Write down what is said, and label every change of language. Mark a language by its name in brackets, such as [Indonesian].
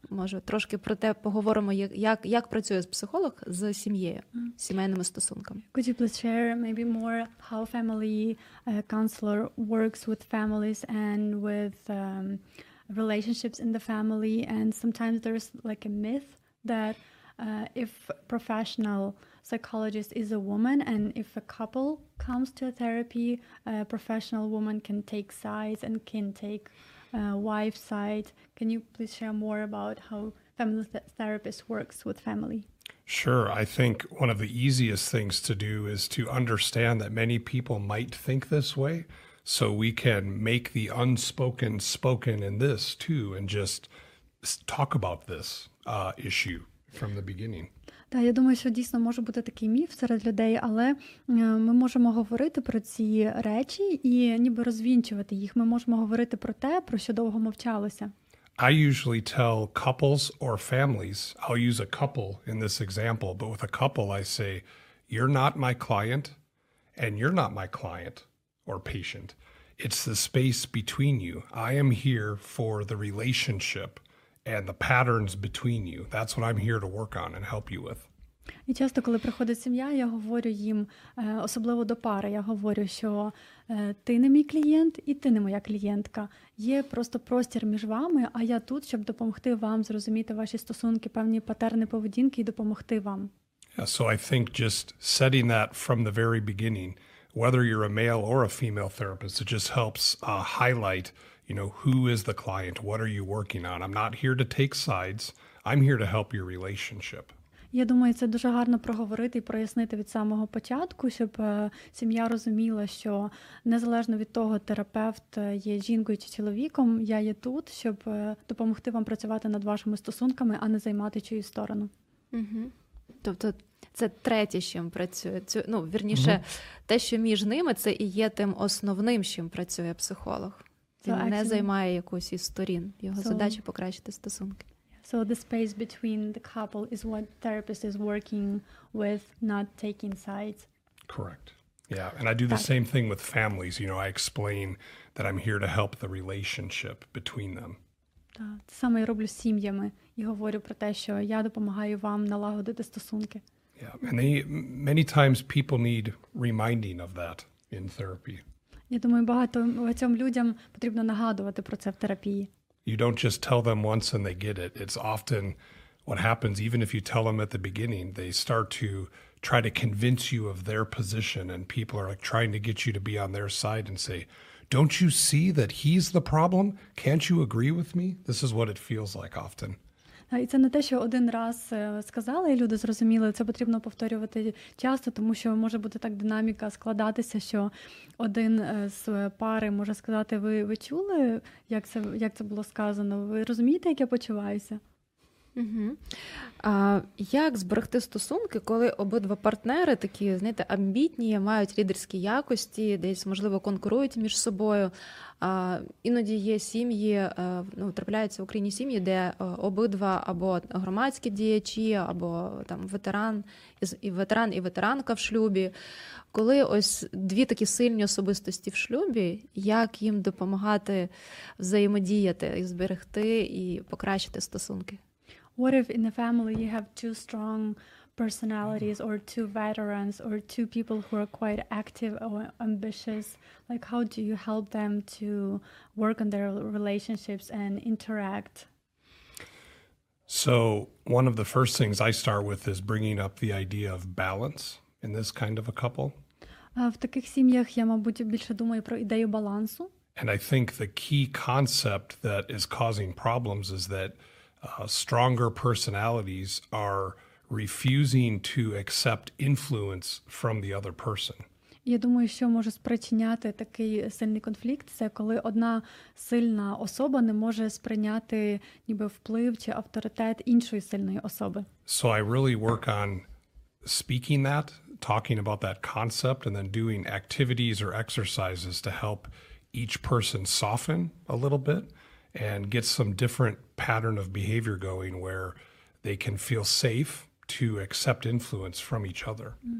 [Ukrainian] Може, трошки про те поговоримо, як працює психолог з сім'єю, сімейними стосунками. [English] Could you please share maybe more how family counselor works with families and with relationships in the family, and sometimes there's like a myth that if professional psychologist is a woman and if a couple comes to a therapy, a professional woman can take sides and can take a wife's side. Can you please share more about how family therapist works with family? Sure. I think one of the easiest things to do is to understand that many people might think this way, so we can make the unspoken spoken in this too and just talk about this issue. From the beginning. [Ukrainian] Так, я думаю, що дійсно може бути такий міф серед людей, але ми можемо говорити про ці речі і ніби розвінчувати їх. Ми можемо говорити про те, про що довго мовчалося. [English] I usually tell couples or families, I'll use a couple in this example, but with a couple I say, you're not my client and you're not my client or patient. It's the space between you. I am here for the relationship. And the patterns between you. That's what I'm here to work on and help you with. [Ukrainian] І часто, коли приходить сім'я, я говорю їм, особливо до пари, я говорю, що ти не мій клієнт і ти не моя клієнтка. Є просто простір між вами, а я тут, щоб допомогти вам зрозуміти ваші стосунки, певні патерни поведінки і допомогти вам. [English] Yeah, so I think just setting that from the very beginning, whether you're a male or a female therapist, it just helps highlight you know, who is the client? What are you working on? I'm not here to take sides. I'm here to help your relationship. [Ukrainian] Я думаю, це дуже гарно проговорити і прояснити від самого початку, щоб сім'я розуміла, що незалежно від того, терапевт є жінкою чи чоловіком, я є тут, щоб допомогти вам працювати над вашими стосунками, а не займати чию сторону. Тобто це третє, чим працює. Те, що між ними, це і є тим основним, чим працює психолог. Він не займає якусь із сторін. Його задача покращити стосунки. [English] So the space between the couple is what therapist is working with, not taking sides. Correct. Yeah, and I do the same thing with families. You know, I explain that I'm here to help the relationship between them. [Ukrainian] Так, саме я роблю з сім'ями. І говорю про те, що я допомагаю вам налагодити стосунки. [English] Yeah, and many times people need reminding of that in therapy. [Ukrainian] Я думаю, багатьом людям потрібно нагадувати про це в терапії. [English] You don't just tell them once and they get it. It's often what happens, even if you tell them at the beginning, they start to try to convince you of their position and people are like trying to get you to be on their side and say, don't you see that he's the problem? Can't you agree with me? This is what it feels like often. [Ukrainian] І це не те, що один раз сказали, і люди зрозуміли, це потрібно повторювати часто, тому що може бути так динаміка складатися, що один з пари може сказати, ви чули, як це було сказано, ви розумієте, як я почуваюся? А як зберегти стосунки, коли обидва партнери такі, знаєте, амбітні, мають лідерські якості, десь, можливо, конкурують між собою? А іноді є сім'ї, ну, трапляються в Україні сім'ї, де обидва або громадські діячі, або там ветеран і ветеранка в шлюбі. Коли ось дві такі сильні особистості в шлюбі, як їм допомагати взаємодіяти і зберегти і покращити стосунки? [English] What if in the family you have two strong personalities or two veterans or two people who are quite active or ambitious? Like, how do you help them to work on their relationships and interact? So one of the first things I start with is bringing up the idea of balance in this kind of a couple. [Ukrainian] В таких сім'ях я, мабуть, більше думаю про ідею балансу. [English] And I think the key concept that is causing problems is that stronger personalities are refusing to accept influence from the other person. [Ukrainian] Я думаю, що може спричиняти такий сильний конфлікт, це коли одна сильна особа не може сприйняти ніби вплив чи авторитет іншої сильної особи. [English] So I really work on speaking that, talking about that concept, and then doing activities or exercises to help each person soften a little bit and get some different pattern of behavior going where they can feel safe to accept influence from each other.